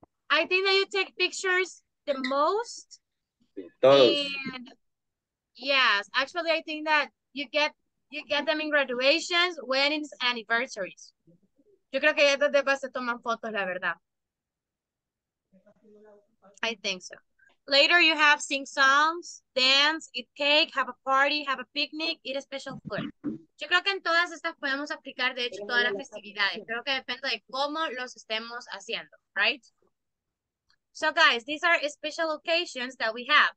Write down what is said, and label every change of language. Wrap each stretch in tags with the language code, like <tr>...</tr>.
<en>I think that you take pictures the most. And yes, actually, I think that you get them in graduations, weddings, anniversaries.</en> <es>Yo creo que ya desde que se toman fotos, la verdad.</es> <en>I think so. Later, you have sing songs, dance, eat cake, have a party, have a picnic, eat a special food.</en> <es>Yo creo que en todas estas podemos aplicar, de hecho, todas las festividades. Creo que depende de cómo los estemos haciendo, right?</es> <en>So, guys, these are special occasions that we have.</en>